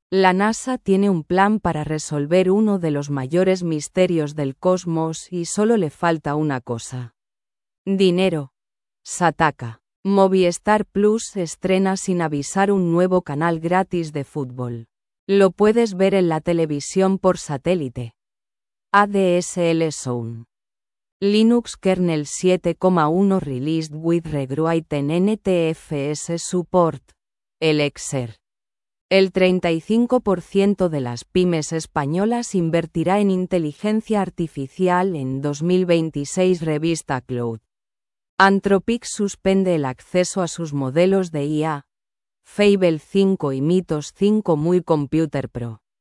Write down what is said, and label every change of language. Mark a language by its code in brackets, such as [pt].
[es] La NASA tiene un plan para resolver uno de los mayores misterios del cosmos y solo le falta una cosa. Dinero. Sataka. Movistar Plus estrena sin avisar un nuevo canal gratis de fútbol. Lo puedes ver en la televisión por satélite. ADSL Zone. [en] Linux Kernel 7.1 released with rewritten NTFS support. Elixir. [es] El 35% de las pymes españolas invertirá en inteligencia artificial en 2026, revista Cloud. Anthropic suspende el acceso a sus modelos de IA. Fable 5 y Mythos 5 Muy Computer Pro.